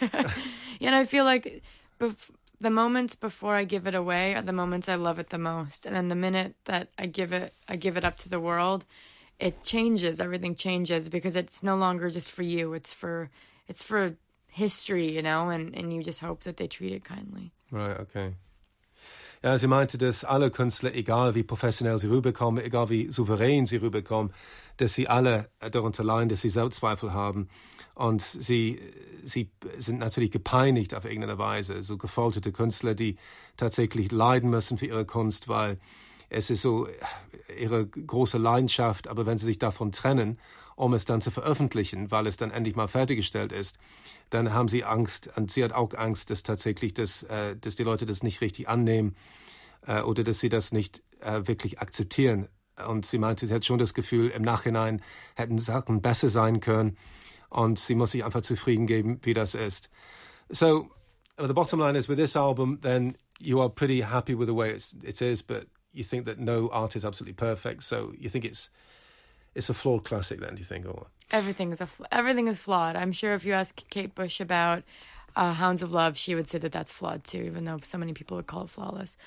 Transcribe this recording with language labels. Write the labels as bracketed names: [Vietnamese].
[English] Like, yeah, and I feel like the moments before I give it away are the moments I love it the most. And then the minute that I give it up to the world, it changes, everything changes, because it's no longer just for you, it's for history, you know, and you just hope that they treat it kindly. Right, okay. [German] Ja, sie meinte, dass alle Künstler, egal wie professionell sie rüberkommen, egal wie souverän sie rüberkommen, dass sie alle darunter leiden, dass sie Selbstzweifel haben. Und sie sind natürlich gepeinigt auf irgendeine Weise, so gefolterte Künstler, die tatsächlich leiden müssen für ihre Kunst, weil es ist so ihre große Leidenschaft, aber wenn sie sich davon trennen, um es dann zu veröffentlichen, weil es dann endlich mal fertiggestellt ist, dann haben sie Angst, und sie hat auch Angst, dass tatsächlich dass die Leute das nicht richtig annehmen oder dass sie das nicht wirklich akzeptieren. Und sie meinte, sie hat schon das Gefühl, im Nachhinein hätten Sachen besser sein können und sie muss sich einfach zufrieden geben, wie das ist. [English] So, the bottom line is, with this album, then you are pretty happy with the way it is, but you think that no art is absolutely perfect, so you think it's a flawed classic then, do you think? Or Everything is flawed. I'm sure if you ask Kate Bush about Hounds of Love, she would say that that's flawed too, even though so many people would call it flawless.